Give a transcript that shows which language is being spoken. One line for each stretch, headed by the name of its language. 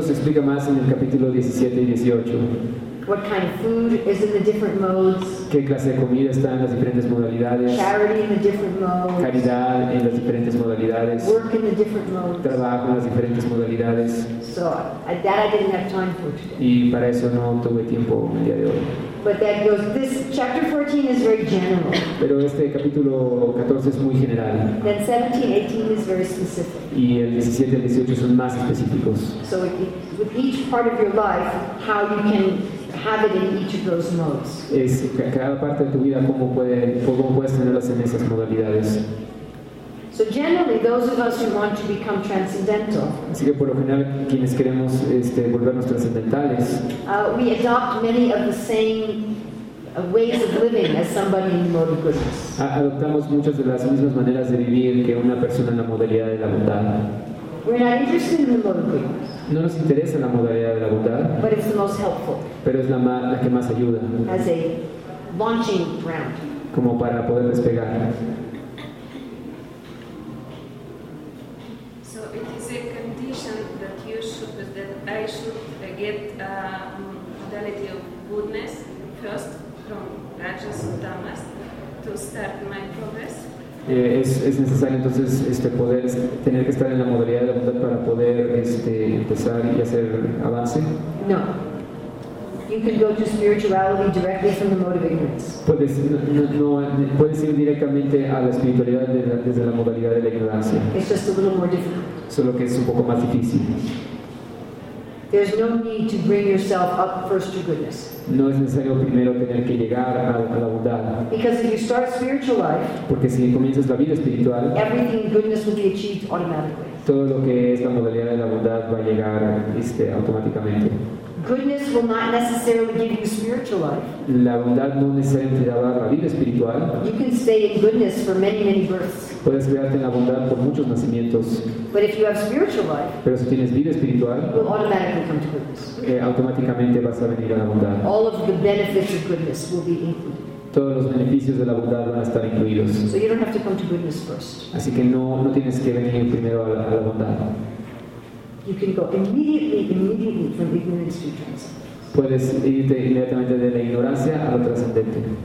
Spanish: Esto se explica más en el capítulo 17 y 18.
English: What kind of food is in the different modes?
Spanish: ¿Qué clase de comida está en las diferentes modalidades?
English: Charity in the different modes.
Spanish: Caridad en las diferentes modalidades.
English: Work in the different modes.
Spanish: Trabajo en las diferentes modalidades.
English: So, that I didn't have time for today.
Spanish: Y para eso no tuve tiempo el día de hoy.
English: But that goes, this chapter 14 is very general.
Spanish: Pero este capítulo 14 es muy general.
English: Then 17, 18 is very specific.
Spanish: Y el 17 y 18 son más específicos.
English: So, with each part of your life, how you can have it in each of those modes.
Spanish: Es cada parte de tu vida cómo puedes tenerlas en esas modalidades.
English: So generally, those of us who want to become transcendental.
Spanish: Así que por lo general, quienes queremos volvernos transcendentales.
English: We adopt many of the same ways of living as somebody in the mode of goodness.
Spanish: Adoptamos muchas de las mismas maneras de vivir que una persona en la modalidad de la bondad.
English: We're not interested in the mode of goodness.
Spanish: No nos interesa la modalidad de la bondad,
English: but it's the most helpful.
Spanish: Pero es la que más ayuda.
English: As a launching ground.
Spanish: Como para poder despegar.
English: So it is a condition that I should get a modality of goodness first from Rajas or Tamas to start my progress.
Spanish: Es necesario entonces poder tener que estar en la modalidad de la bondad para poder empezar y hacer avance.
English: No. You can go to spirituality directly from the mode of ignorance.
Spanish: Puedes ir directamente a la espiritualidad desde la modalidad de la ignorancia.
English: It's just a little more difficult.
Spanish: Solo que es un poco más difícil.
English: There's no need to bring yourself up first to goodness.
Spanish: No es necesario primero tener que llegar a la bondad.
English: Because if you start spiritual life,
Spanish: porque si comienzas la vida espiritual,
English: everything in goodness will be achieved automatically.
Spanish: Todo lo que es la modalidad de la bondad va a llegar automáticamente.
English: Goodness will not necessarily give you spiritual life.
Spanish: La bondad no necesariamente dará la vida espiritual.
English: You can stay in goodness for many, many births.
Spanish: Puedes quedarte en la bondad por muchos nacimientos.
English: But if you have spiritual life,
Spanish: pero si tienes vida espiritual,
English: you will automatically come to goodness.
Spanish: Automáticamente vas a venir a la bondad.
English: All of the benefits of goodness will be included.
Spanish: Todos los beneficios de la bondad van a estar incluidos.
English: So you don't have to come to goodness first.
Spanish: Así que no tienes que venir primero a la bondad.
English: You can go immediately from ignorance to transcendence.
Spanish: Puedes irte inmediatamente de la ignorancia a lo trascendente.